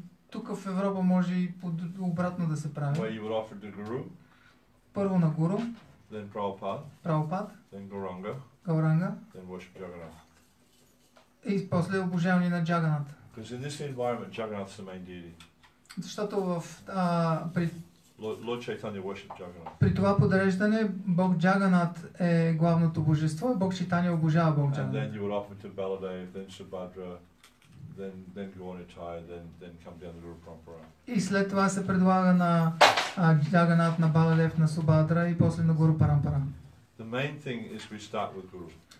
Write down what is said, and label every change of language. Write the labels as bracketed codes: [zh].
[bg] Тук в Европа може и обратно да се прави. [en] Where you would offer to guru. [bg] Първо на гуру. [en] Then Prabhupada. Prabhupada. Then Gauranga. Gauranga. Then worship Jagannath. [bg] И после обожаване на Джаганат. [en] Because in this environment, Jagannath's the main deity. [bg] Защото в при [en] Lord Chaitanya worship Jagannath. [bg] При това подреждане Бог Джаганат е главното божество, Бог Чайтанья обожава Бог Джаганат. [en] And then you would offer to Baladev, then Subhadra, then Gauranitai, then come down the Guru Parampara. [bg] И след това се предлага на Джаганат, на Баладев, на Субадра и после на Гуру Парампара. [en] The main thing is we start with Guru.